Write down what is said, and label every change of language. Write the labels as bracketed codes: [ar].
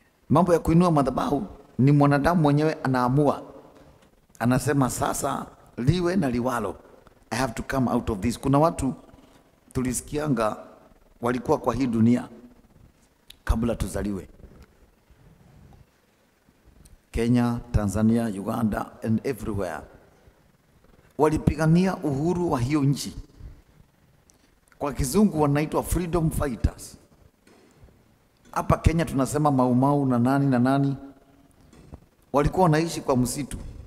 [sw] Mambo ya kuinua madhabahu ni mwanadamu mwenyewe anaamua. Anasema sasa liwe na liwalo. [en] I have to come out of this. [sw] Kuna watu tulisikianga walikuwa kwa hii dunia kabla tuzaliwe. [en] Kenya, Tanzania, Uganda and everywhere. [sw] Walipigania uhuru wa hiyo nchi. Kwa kizungu wanaitwa freedom fighters. Hapa Kenya tunasema Mau Mau na nani na nani. Walikuwa wanaishi kwa msitu.